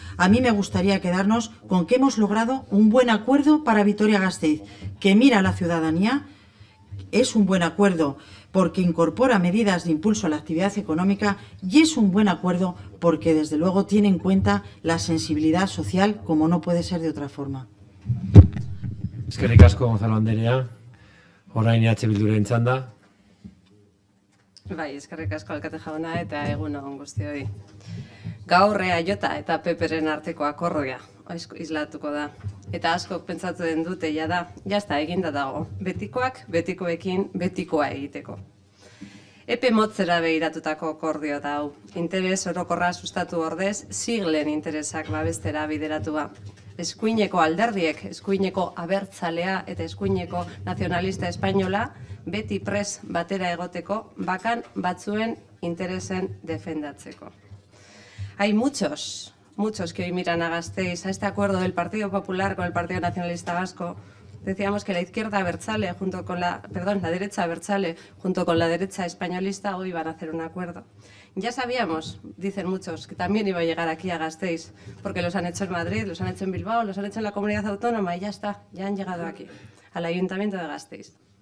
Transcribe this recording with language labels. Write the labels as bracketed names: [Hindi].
[Spanish] A mí me gustaría quedarnos con que hemos logrado un buen acuerdo para Vitoria-Gasteiz, que mira a la ciudadanía, es un buen acuerdo porque incorpora medidas de impulso a la actividad económica y es un buen acuerdo porque desde luego tiene en cuenta la sensibilidad social como no puede ser de otra forma. [Basque] Eskerrik asko, Gonzalo Anderea. Orain EH Bilduren txanda. Bai, eskerrik asko alkate jauna eta egunon guztioi. Gaur EAJ eta PPren arteko akordioa islatuko da. Eta askok pentsatzen dute jada, jazta eginda dago, betikoak, betikoekin, betikoa egiteko. Epe motzera behiratutako akordio da hau, interes orokorra sustatu ordez, siglen interesak babestera bideratua. Eskuineko alderdiek, eskuineko abertzalea eta eskuineko nazionalista espainola, beti pres batera egoteko, bakan batzuen interesen defendatzeko. [Spanish] Hay muchos que hoy miran a Gasteiz, a este acuerdo del Partido Popular con el Partido Nacionalista Vasco. Decíamos que la izquierda abertzale junto con la derecha abertzale junto con la derecha españolista hoy iban a hacer un acuerdo. Ya sabíamos, dicen muchos, que también iba a llegar aquí a Gasteiz, porque los han hecho en Madrid, los han hecho en Bilbao, los han hecho en la Comunidad Autónoma y ya está, ya han llegado aquí, al Ayuntamiento de Gasteiz.